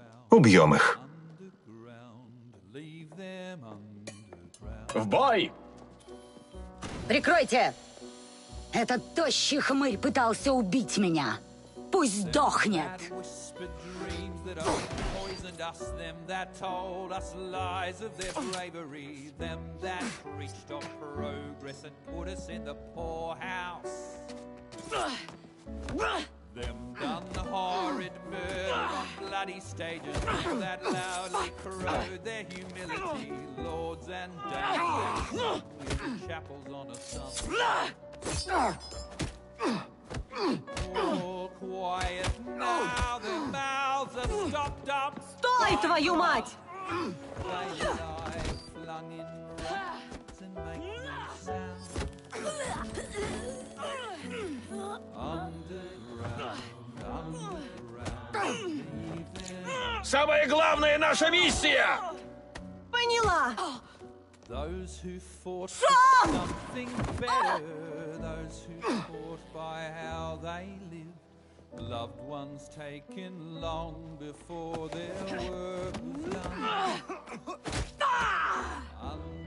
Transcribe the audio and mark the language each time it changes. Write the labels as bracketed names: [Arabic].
[Russian] Убьем их. В бой! Прикройте! Этот тощий хмырь пытался убить меня. Пусть сдохнет! [English] Us, them that told us lies of their bravery, them that preached on progress and put us in the poorhouse, them done the horrid murder on bloody stages, people that loudly crowed their humility, lords and dames in chapels on a Sunday. All quiet now, their mouths are stopped up. [Russian] Стой, твою мать! Самое главное — наша миссия! Поняла! Шон! [English] Those who fought by how they live, loved ones taken long before their work was done.